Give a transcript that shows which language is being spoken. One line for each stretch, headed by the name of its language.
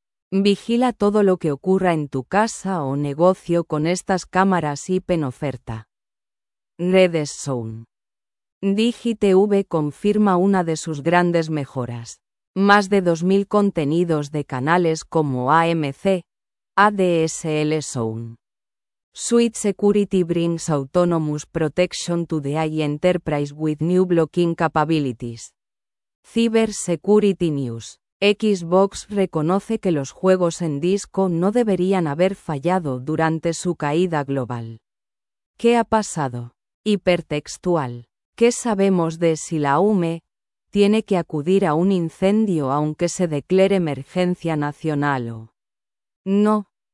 Spanish: Vigila todo lo que ocurra en tu casa o negocio con estas cámaras IP en oferta. Red Zone. DigiTV confirma una de sus grandes mejoras. Más de 2.000 contenidos de canales como AMC, ADSL Zone.
English: Suite Security brings autonomous protection to the AI enterprise with new blocking capabilities. Cyber Security News.
Spanish: Xbox reconoce que los juegos en disco no deberían haber fallado durante su caída global. ¿Qué ha pasado? Hipertextual. ¿Qué sabemos de si la UME tiene que acudir a un incendio aunque se declare emergencia nacional o no?